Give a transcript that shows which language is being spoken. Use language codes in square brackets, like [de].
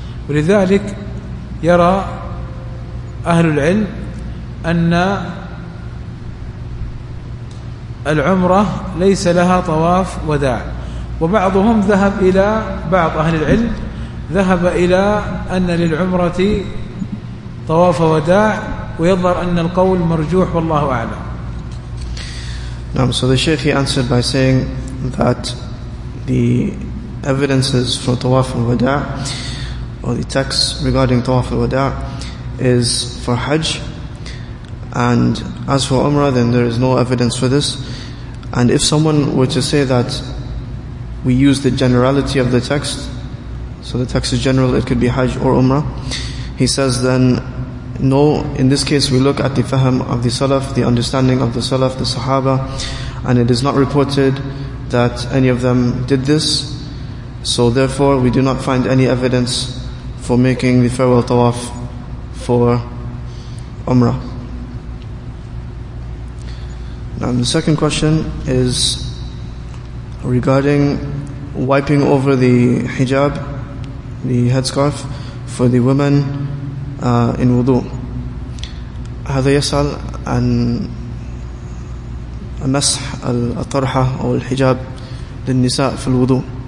[ar] ولذلك يرى أهل العلم أن العمرة ليس لها طواف وداع. وبعضهم ذهب إلى بعض أهل العلم ذهب إلى أن للعمرة طواف وداع، ويظهر أن القول مرجوح والله أعلم. نعم. [en] So the Sheikh, he answered by saying that the evidences for tawaf al-wada', or the texts regarding tawaf al-wada', is for Hajj, and as for Umrah, then there is no evidence for this. And if someone were to say that we use the generality of the text, so the text is general, it could be Hajj or Umrah, he says then no, in this case we look at the fahm of the Salaf, the understanding of the Salaf, the Sahaba, and it is not reported that any of them did this, so therefore we do not find any evidence for making the farewell tawaf for Umrah. Now the second question is regarding wiping over the hijab, the headscarf, for the women in wudu. [ar] هذا يسأل عن مسح الطرحة أو الحجاب للنساء في الوضوء.